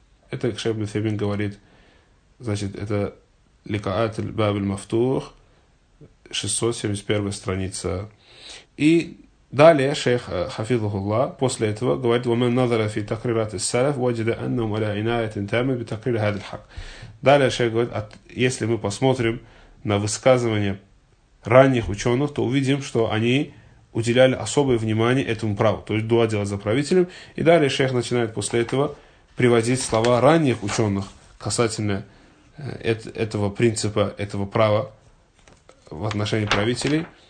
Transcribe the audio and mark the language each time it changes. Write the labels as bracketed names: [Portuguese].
[Russian] Это Шейх Ибн Усеймин говорит, значит, это Ликаат аль-Баб аль-Мафтух, 671 страница. И далее шейх Хафизахуллах после этого говорит, [Arabic] وَمَنْ نَظَرَ فِي تَقْرِرَاتِ السَّلَفِ وَجَدَ أَنَّهُمْ عَلَىٰ عِنَايَةٍ تَامَةٍ بِتَقْرِيرِ هَذَا الْحَقِّ. [Russian] Далее шейх говорит, если мы посмотрим на высказывания ранних ученых, то увидим, что они уделяли особое внимание этому праву, то есть дуа делать за правителем. И далее шейх начинает после этого приводить слова ранних ученых касательно этого принципа, этого права в отношении правителей.